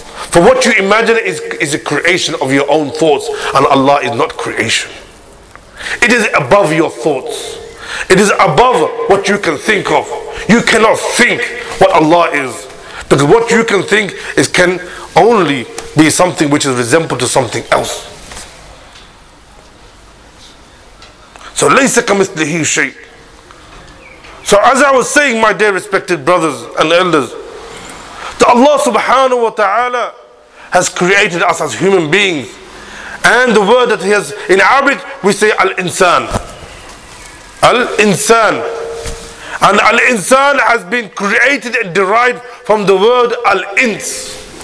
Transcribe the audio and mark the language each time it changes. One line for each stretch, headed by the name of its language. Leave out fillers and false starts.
English: For what you imagine is a creation of your own thoughts, and Allah is not creation. It is above your thoughts. It is above what you can think of. You cannot think what Allah is. Because what you can think is can only be something which is resembled to something else.
Arabic: So لَيْسَ كَمِثْلِهِ شَيْءٍ.
English: So as I was saying, my dear respected brothers and elders, that Allah subhanahu wa ta'ala has created us as human beings. And the word that He has, in Arabic we say Al-Insan. Al-Insan. And Al-Insan has been created and derived from the word Al-Ins.